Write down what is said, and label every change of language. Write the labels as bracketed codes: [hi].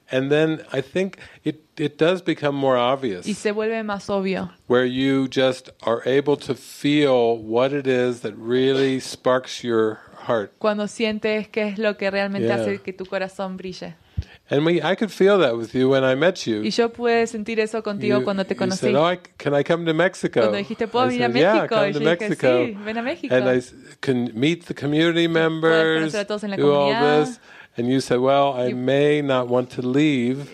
[en] And then I think it does become more obvious. [es] Y se vuelve más obvio. [en] Where you just are able to feel what it is that really sparks your heart. [es] Cuando sientes qué es lo que realmente hace que tu corazón brille. [en] And I could feel that with you when I met you. [es] Y yo pude sentir eso contigo cuando te conocí. [en] You said, "Oh, can I come to Mexico?" [es] Cuando dijiste, "¿Puedo venir a México?" [en] Yeah, come to Mexico. [es] Dije, sí, ven a México. [en] And I can meet the community members. [es] Puedo conocer a todos en la comunidad. [en] And you said, "Well, I may not want to leave."